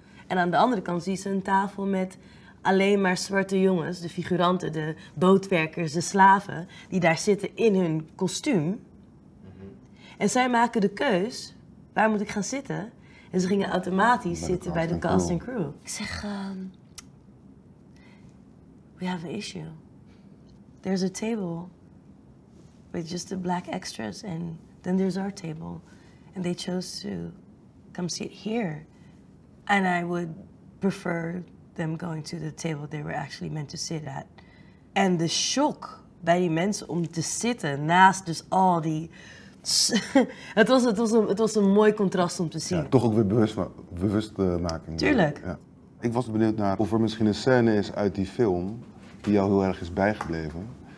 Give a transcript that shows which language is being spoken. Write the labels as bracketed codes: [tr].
[nl] En aan de andere kant zien ze een tafel met alleen maar zwarte jongens, de figuranten, de bootwerkers, de slaven, die daar zitten in hun kostuum. En zij maken de keus, waar moet ik gaan zitten? En ze gingen automatisch zitten bij de cast en crew. Ik zeg, [en] we have an issue. There's a table with just the black extras and then there's our table. And they chose to come sit here. And I would prefer them going to the table they were actually meant to sit at. [nl] En de shock bij die mensen om te zitten naast dus al die... het was een mooi contrast om te zien. Ja, toch ook weer bewustmaking. Tuurlijk. Ja. Ik was benieuwd naar of er misschien een scène is uit die film die jou heel erg is bijgebleven.